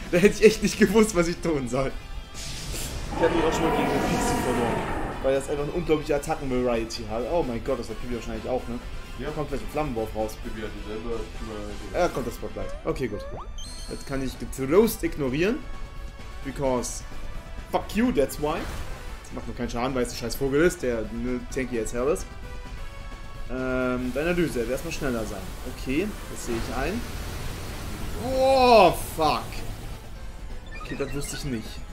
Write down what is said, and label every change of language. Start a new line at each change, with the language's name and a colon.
German: Da hätte ich echt nicht gewusst, was ich tun soll. Ich habe ihn auch schon mal gegen den Pixie verloren. Weil das einfach eine unglaubliche Attacken-Variety hat. Oh mein Gott, das hat Pipi wahrscheinlich auch, ne? Ja. Kommt gleich ein Flammenwurf raus. Pipi hat dieselbe. Er kommt das Spotlight. Okay, gut. Jetzt kann ich getrost ignorieren.
English: Because fuck you, that's why.
German: Das macht mir keinen Schaden, weil es ein scheiß Vogel ist, der eine
English: tanky as hell
German: ist. Deine Düse, wär's mal schneller sein. Okay, das sehe ich ein.
English: Oh, fuck.
German: Okay, das wusste ich nicht.